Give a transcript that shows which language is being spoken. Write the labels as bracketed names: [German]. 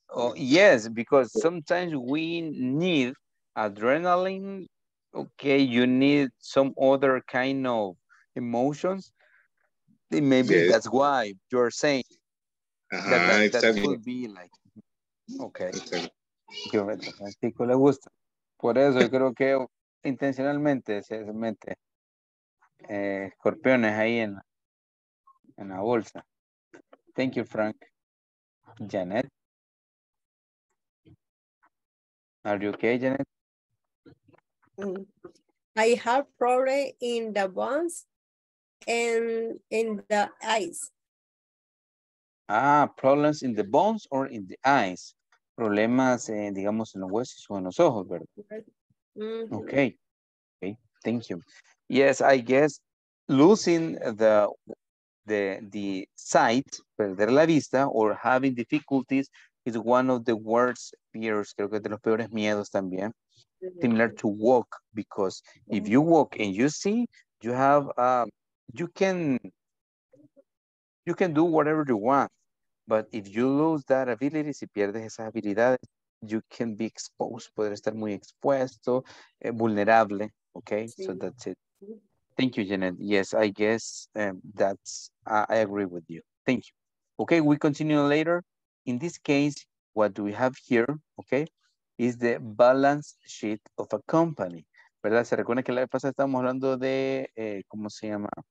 [English] Oh, yes, because sometimes we need adrenaline. Okay, you need some other kind of emotions. Maybe that's why you're saying that would be like, okay. [Spanish] Francisco le gusta. Por eso yo creo que intencionalmente se mete escorpiones ahí en la bolsa. [English] Thank you, Frank. Janet. Are you okay, Janet? I have problem in the bones and in the eyes. Ah, problems in the bones or in the eyes. [Spanish] Problemas, digamos, en los huesos o en los ojos, ¿verdad? [English] Okay, thank you. Yes, I guess losing the sight, [Spanish] perder la vista, [English] or having difficulties is one of the worst fears. [Spanish] Creo que es de los peores miedos también. [English] Similar to walk, because if you walk and you see, you have you can do whatever you want, but if you lose that ability, [Spanish] si pierdes esas habilidades, [English] you can be exposed, [Spanish] poder estar muy expuesto, [English] vulnerable. Okay, so that's it. Thank you, Janet. Yes, I guess that's I agree with you. Thank you. Okay, we continue later. In this case, what do we have here? Okay. Is the balance sheet of a company, ¿verdad? [Spanish] Se recuerda que la vez pasada estábamos hablando de, ¿cómo se llama?